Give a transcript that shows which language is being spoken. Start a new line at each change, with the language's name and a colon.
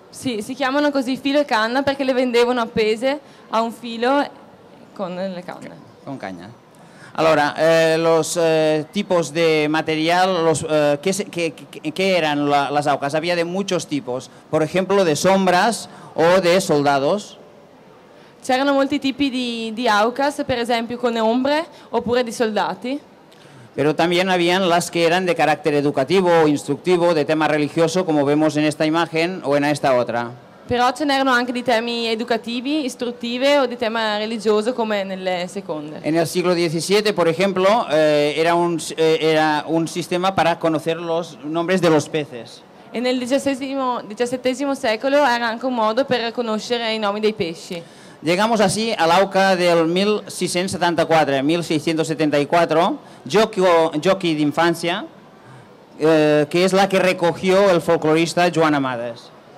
Spanish: Sí, si llaman así filo y cana porque
Italian: le vendevano appese a un filo con le canne.
Spanish: Con caña. Allora, los tipos de material, ¿qué eran las aucas? Había de muchos tipos, por ejemplo, de sombras o de soldados.
Italian: C'erano molti tipi di aucas, per esempio con ombre oppure di soldati.
Spanish: Pero también habían las que eran de carácter educativo o instructivo, de tema religioso, como vemos en esta imagen o en esta otra.
Italian: Però ce n'erano anche di temi educativi, istruttivi o di tema religioso come nelle seconde.
Spanish: En el siglo XVII, por ejemplo, era un sistema para conocer los nombres de los peces.
Italian: E nel XVII secolo era anche un modo per conoscere i nomi dei pesci.
Spanish: Llegamos así a la auca del 1674, jockey d'infància, que es la que recogió el folclorista Joan Amades.